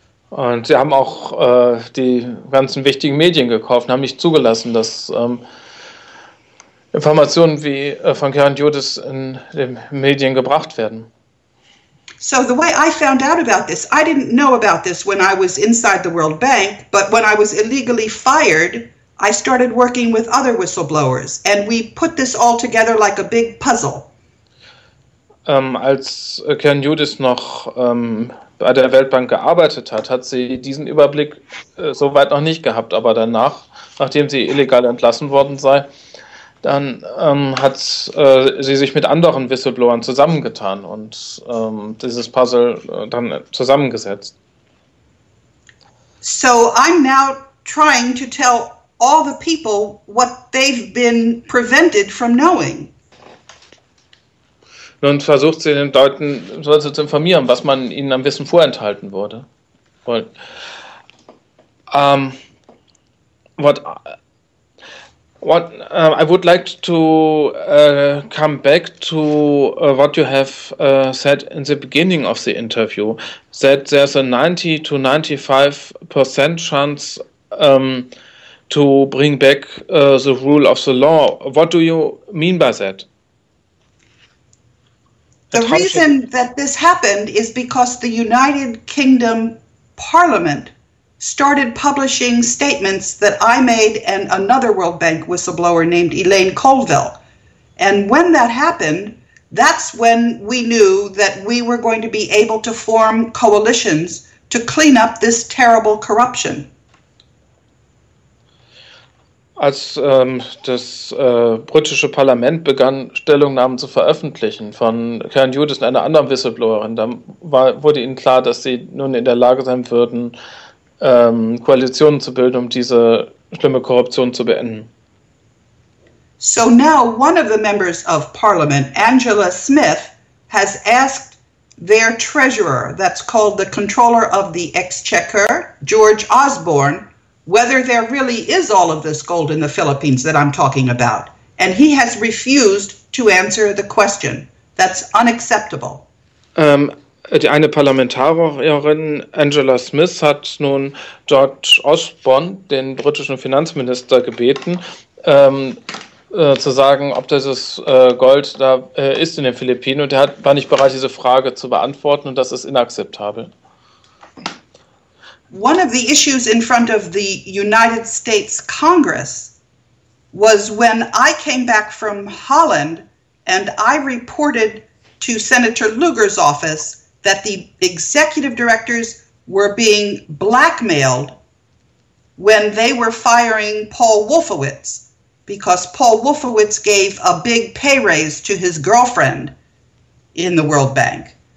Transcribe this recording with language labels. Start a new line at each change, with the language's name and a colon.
German: Und sie haben auch die ganzen wichtigen Medien gekauft und haben nicht zugelassen, dass Informationen wie von Karen Judis in den Medien gebracht werden.
English: So the way I found out about this, I didn't know about this when I was inside the World Bank, but when I was illegally fired, I started working with other whistleblowers and we put this all together like a big puzzle.
German: Als Karen Judis noch bei der Weltbank gearbeitet hat, hat sie diesen Überblick soweit noch nicht gehabt. Aber danach, nachdem sie illegal entlassen worden sei, dann hat sie sich mit anderen Whistleblowern zusammengetan und dieses Puzzle dann zusammengesetzt.
English: So I'm now trying to tell all the people what they've been prevented from knowing.
German: Und versucht sie den Leuten sozusagen zu informieren, was man ihnen am Wissen vorenthalten wurde.
English: I would like to come back to what you have said in the beginning of the interview, that there's a 90-95% chance to bring back the rule of the law. What do you mean by that? The reason that this happened is because the United Kingdom Parliament started publishing statements that I made and another World Bank whistleblower named Elaine Colville. And when that happened, that's when we knew that we were going to be able to form coalitions to clean up this terrible corruption.
German: Als das britische Parlament begann, Stellungnahmen zu veröffentlichen von Karen Judis und einer anderen Whistleblowerin, dann wurde ihnen klar, dass sie nun in der Lage sein würden, Koalitionen zu bilden, um diese schlimme Korruption zu beenden.
English: So now one of the members of Parliament, Angela Smith, has asked their treasurer, that's called the Controller of the Exchequer, George Osborne, whether there really is all of this gold in the Philippines that I'm talking about. And he has refused to answer the question. That's unacceptable.
German: Die eine Parlamentarierin, Angela Smith, hat nun George Osborne, den britischen Finanzminister, gebeten, zu sagen, ob dieses Gold da ist in den Philippinen. Und er war nicht bereit, diese Frage zu beantworten. Und das ist inakzeptabel.
English: One of the issues in front of the United States Congress was when I came back from Holland and I reported to Senator Lugar's office that the executive directors were being blackmailed when they were firing Paul Wolfowitz because Paul Wolfowitz gave a big pay raise to his girlfriend in the World Bank.